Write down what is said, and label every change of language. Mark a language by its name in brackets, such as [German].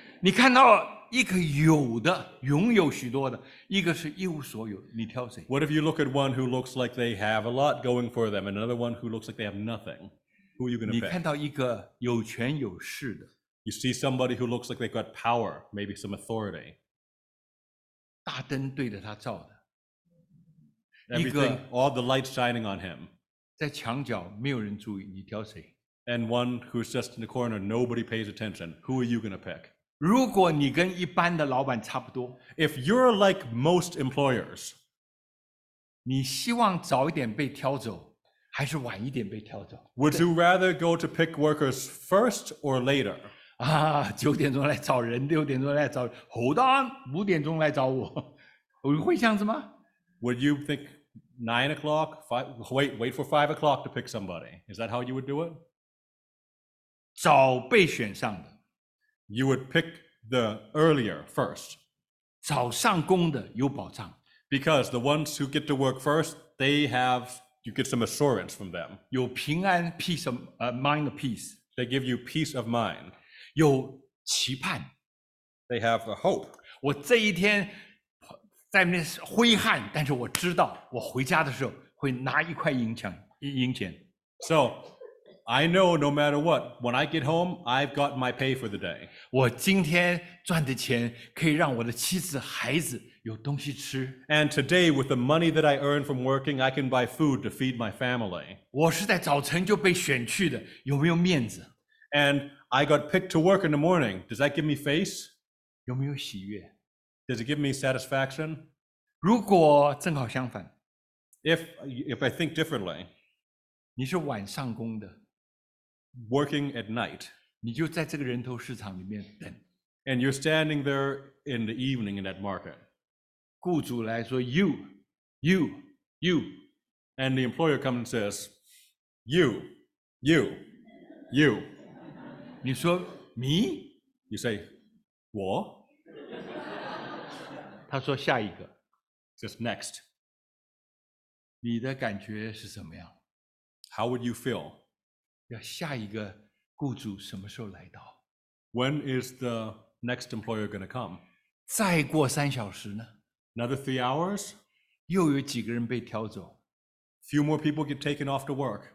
[Chinese] 你看到一个有的拥有许多的一个是一无所有你挑谁 [English] What if you look at one who looks like they have a lot going for them and another one who looks like they have nothing? Who are you going to pick? [Chinese] 你看到一个有权有势的 [English] You see somebody who looks like they've got power, maybe some authority. [Chinese] 大灯对着他照的。 [English] Everything, all the light shining on him. [Chinese] 在墙角没有人注意你挑谁 [English] And one who's just in the corner, nobody pays attention. Who are you going to pick? [Chinese] 如果你跟一般的老板差不多 [English] If you're like most employers, [Chinese] 你希望早一点被挑走还是晚一点被挑走 [English] Would you rather go to pick workers first or later? [Chinese] 九点钟来找人六点钟来找人 [English] Hold on, [Chinese] 五点钟来找我我会这样子吗 [English] Would you think 9 o'clock, wait for 5 o'clock to pick somebody? Is that how you would do it? [Chinese] 早被选上的。 [English] You would pick the earlier first. [Chinese] 早上工的有保障。 [English] Because the ones who get to work first, they have, you get some assurance from them. [Chinese] 有平安 [English] peace of, mind of peace. They give you peace of mind. [Chinese] 有期盼。 [English] They have a hope. [Chinese] 我这一天在那挥汗，但是我知道我回家的时候会拿一块银钱。 [English] So, I know no matter what, when I get home, I've got my pay for the day. [Chinese] 我今天赚的钱可以让我的妻子孩子有东西吃。 [English] And today, with the money that I earn from working, I can buy food to feed my family. [Chinese] 我是在早晨就被选去的，有没有面子？ [English] And I got picked to work in the morning. Does that give me face? [Chinese] 有没有喜悦？ [English] Does it give me satisfaction? [Chinese] 如果正好相反， [English] if I think differently, [Chinese] 你是晚上工的， [English] working at night, [Chinese] 你就在这个人头市场里面等， [English] and you're standing there in the evening in that market. [Chinese] 雇主来说 [English] you, and the employer comes and says, you. [Chinese] 你说 [English] me? You say, [Chinese] 我。他说下一个 [English] just next. [Chinese] 你的感觉是怎么样？ [English] How would you feel? [Chinese] 要下一个雇主什么时候来到？ [English] When is the next employer going to come? [Chinese] 再过三小时呢？ [English] Another 3 hours? [Chinese] 又有几个人被挑走？ [English] Few more people get taken off to work.